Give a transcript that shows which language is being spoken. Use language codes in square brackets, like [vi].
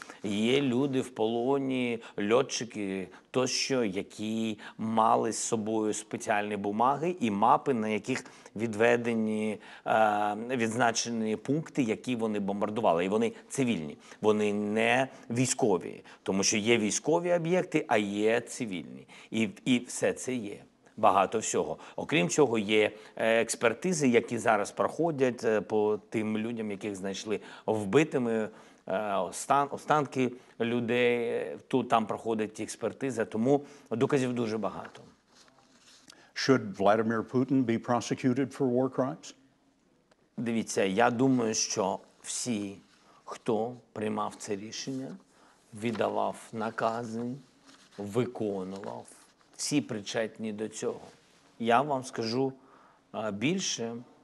[uk] Є люди в полоні, льотчики, тощо, які мали з собою спеціальні бумаги і мапи, на яких відведені, відзначені пункти, які вони бомбардували. І вони цивільні, вони не військові, тому що є військові об'єкти, а є цивільні. І все це є. Багато всього. Окрім цього, є експертизи, які зараз проходять по тим людям, яких знайшли вбитими останки людей, тут там проходить експертиза, тому доказів дуже багато. [en] Should Vladimir Putin be prosecuted for war crimes? [uk] Дивіться, я думаю, що всі, хто приймав це рішення, віддавав накази, виконував, всі причетні до цього. Я вам скажу більше.